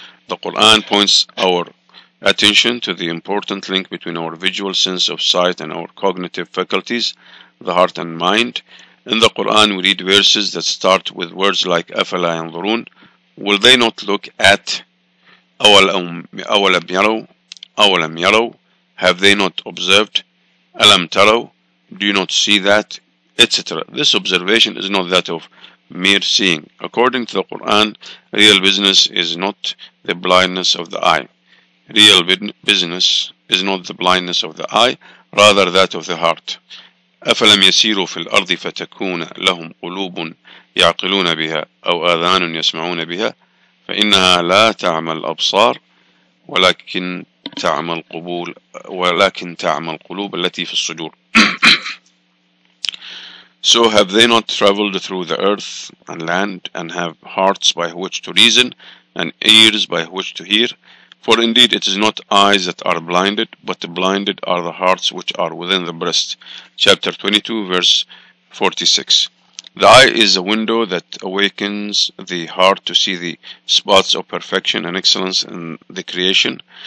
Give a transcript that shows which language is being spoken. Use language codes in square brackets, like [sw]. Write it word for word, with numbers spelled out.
[en] The Quran points our attention to the important link between our visual sense of sight and our cognitive faculties, the heart and mind. In the Quran, we read verses that start with words like [ar] "Afala yanzurun," [en] will they not look at? [ar] أولم أولم يروا أولم يروا [en] have they not observed? [ar] ألم تروا [en] do you not see that? et cetera. This observation is not that of mere seeing. According to the Quran, real business is not the blindness of the eye. Real bin- business is not the blindness of the eye, rather that of the heart. [ar] أفلم يسيروا في الأرض فتكون لهم قلوب يعقلون بها أو آذان يسمعون بها فإنها لا تعمى الأبصار ولكن تعمى القبول ولكن تعمى القلوب التي في الصدور. [en] So have they not travelled through the earth and land, and have hearts by which to reason, and ears by which to hear? For indeed it is not eyes that are blinded, but blinded are the hearts which are within the breast. Chapter twenty-two, verse forty-six. The eye is a window that awakens the heart to see the spots of perfection and excellence in the creation.